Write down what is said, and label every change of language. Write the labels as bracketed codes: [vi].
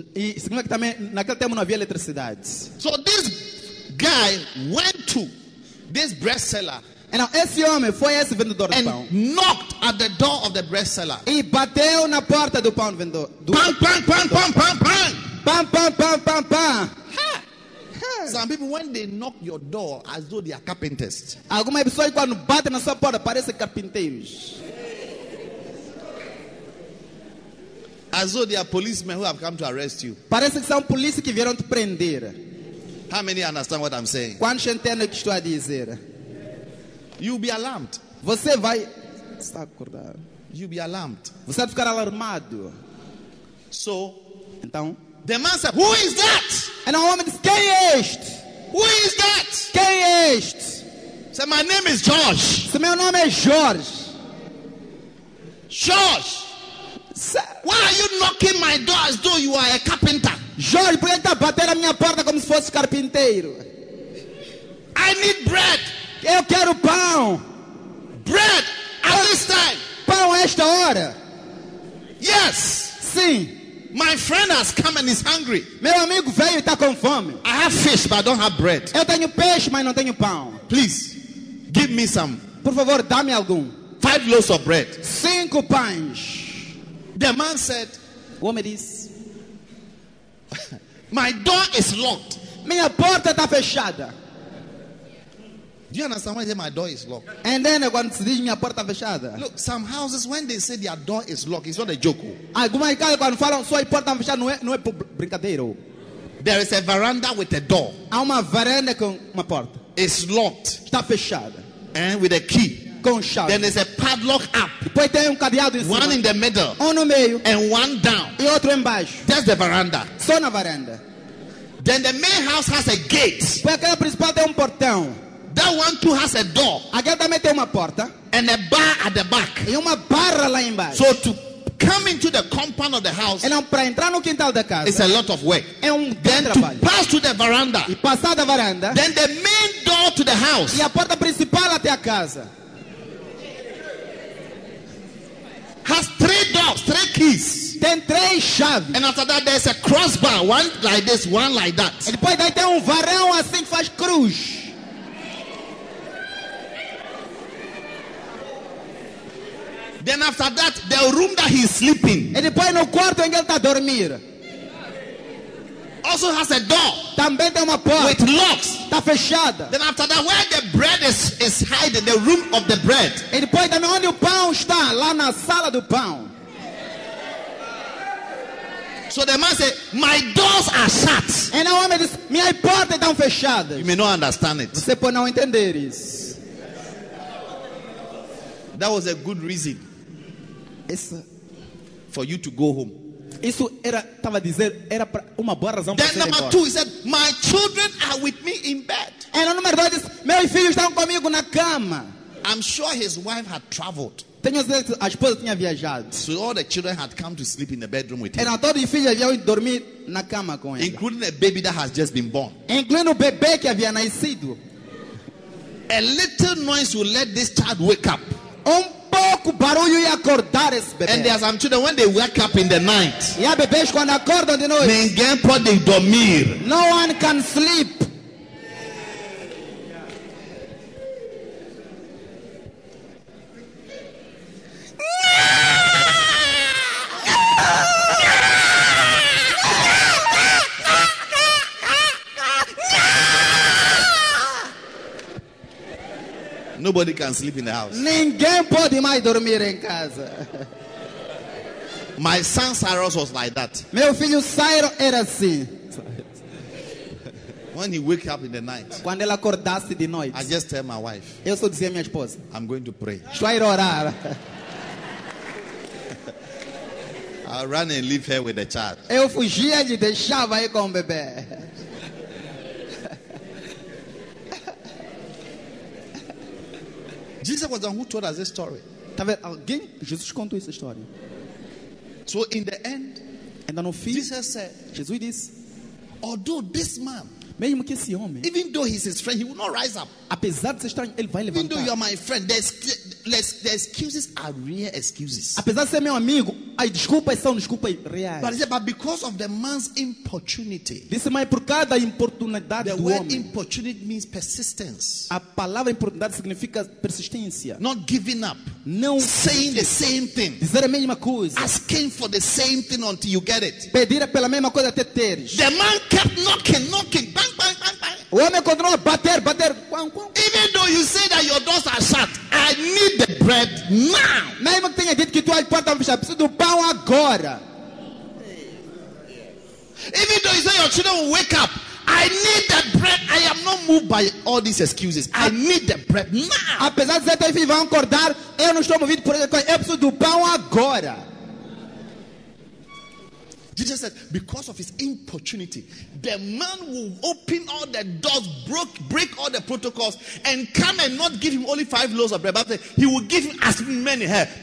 [pt] E segundo que também naquele tempo não havia eletricidade. [en] So this guy went to this bread seller. [pt] E now esse homem foi esse vendedor de pão. [en] And knocked at the door of the bread seller. [pt] E bateu na porta do pão vendedor. Bang bang bang bang bang bang. Bang bang bang bang bang. [en] Some people when they knock your door as though they are carpenters. [pt] Algumas pessoas quando batem na sua porta parecem carpinteiros. [en] As though they are policemen who have come to arrest you. [pt] Parece que são polícia que vieram te prender. [en] How many understand what I'm saying? [pt] Quantos entendem o que estou a dizer? [en] You'll be alarmed. [pt] Você vai estar acordado. [en] You'll be alarmed. [pt] Você vai ficar alarmado. [en] So, [pt] então, [en] the man said, "Who is that?" And the woman says, [pt] "Quem é este?" [en] "Who is that?" [pt] "Quem é este?" [en] Say, "My name is George." [pt] Se meu nome é George. [en] George. Why are you knocking my door as though you are a carpenter? [pt] Jorge, por que está batendo a minha porta como se fosse carpinteiro? [en] I need bread. [pt] Eu quero pão. [en] Bread at this time. [pt] Pão a esta hora. [en] Yes. [pt] Sim. [en] My friend has come and is hungry. [pt] Meu amigo veio e está com fome. [en] I have fish but I don't have bread. [pt] Eu tenho peixe, mas não tenho pão. [en] Please, give me some. [pt] Por favor, dá-me algum. [en] 5 loaves of bread. [pt] 5 pães. [en] The man said, [pt] "O homem disse, [en] my door is locked. [pt] Minha porta está fechada. [en] Do you understand why they say my door is locked? And then [pt] quando se diz minha porta fechada. [en] Look, some houses when they say their door is locked, it's not a joke. [pt] Alguma casa quando falam sua porta fechada não é brincadeira. [en] There is a veranda with a door. [pt] Há uma varanda com uma porta. [en] It's locked. [pt] Está fechada. [en] And with a key. [pt] Com chave. [en] Then there's a padlock up. [pt] Depois tem cadeado em cima. [en] One in the middle. [pt] No meio. [en] And one down. [pt] E outro embaixo. [en] That's the veranda. [pt] Só na varanda. [en] Then the main house has a gate. [pt] Porque aquela principal tem portão. [en] That one too has a door. [pt] Aquela também tem uma porta. [en] And a bar at the back. [pt] E uma barra lá embaixo. [en] So to come into the compound of the house. [pt] E não para entrar no quintal da casa. [en] It's a lot of work. [pt] É [en] then [pt] trabalho. [en] To pass to the veranda. [pt] E passar da varanda. [en] Then the main door to the house. [pt] E a porta principal até a casa. [en] Has three doors, three keys. [pt] Tem três chaves. [en] And after that, there's a crossbar, one like this, one like that. [pt] E depois daí tem varão assim que faz cruz. [en] Then after that, the room that he's sleeping. [pt] E depois no quarto em que ele está a dormir. [en] Also has a door. [pt] Também tem uma porta. [en] With locks. [pt] Está fechada. [en] Then after that, where the bread is hiding, the room of the bread. [pt] E depois também onde o pão está, lá na sala do pão. [en] So the man said, my doors are shut. And now I'm just, [pt] minha porta está fechada. [en] You may not understand it. [pt] Você pode não entender isso. [en] That was a good reason. [pt] Isso. [en] For you to go home. [pt] Isso era, estava a dizer, era para uma boa razão [en] then [pt] para ser [en] number [pt] embora. [en] Two, he said, my children are with me in bed. [pt] E no número dois, disse, meus filhos estão comigo na cama. [en] I'm sure his wife had traveled. [pt] Tenho certeza que a esposa tinha viajado. [en] So all the children had come to sleep in the bedroom with him. [pt] Eram todos os filhos que haviam dormir na cama com ele. [en] Including a baby that has just been born. [pt] Incluindo o bebê que havia nascido. [en] A little noise will let this child wake up. [pt] Pouco barulho e acordar esse bebê. [en] And as I'm children, when they wake up in the night, [pt] e há bebês quando acordam de noite, ninguém pode dormir. [en] No one can sleep. Nobody can sleep in the house. [pt] Ninguém pode mais dormir em casa. [en] My son Cyrus was like that. [pt] Meu filho Cyrus era assim. [en] When he wake up in the night. [pt] Quando ele acordasse de noite. [en] I just tell my wife. [pt] Eu só dizia à minha esposa. [en] I'm going to pray. [pt] Estou a ir orar. [en] I run and leave her with the child. [pt] Eu fugia e deixava aí com o bebê. [en] Jesus was the one who told us this story. [pt] Alguém, Jesus contou essa história. [en] So in the end, and then [pt] no fim, [en] Jesus said, [pt] Jesus disse, [en] although this man, [pt] mesmo que esse homem, [en] even though he's his friend, he will not rise up. [pt] Apesar de ser estranho, ele vai levantar. [en] Even though you are my friend, the excuses are real excuses. [pt] Apesar de ser meu amigo, as desculpas são desculpas reais. [en] But he said, but because of the man's importunity. [pt] Disse, mas por causa da importunidade do homem. [en] The word importunity means persistence. [pt] A palavra importunidade significa persistência. [en] Not giving up. [pt] Não [en] saying the same thing. [pt] Dizer a mesma coisa. [en] Asking for the same thing until you get it. [pt] Pedir pela mesma coisa até teres. [en] The man kept knocking, knocking, bang, bang, bang, bang. [pt] O homem continuou a bater, bater. Quang, quang. [en] Even though you say that your doors are shut, I need the bread now. [pt] Mesmo que tenha dito que tuas portas estão fechadas, preciso do pão agora. [en] Even though you say your children will wake up, I need the bread. I am not moved by all these excuses. I need the bread now. [pt] Apesar de ser filho, vão acordar. Eu não estou movido por isso. Eu preciso do pão agora. [en] Jesus said, because of his importunity, the man will open all the doors, break all the protocols, and come and not give him only 5 loaves of bread, but he will give him as many here.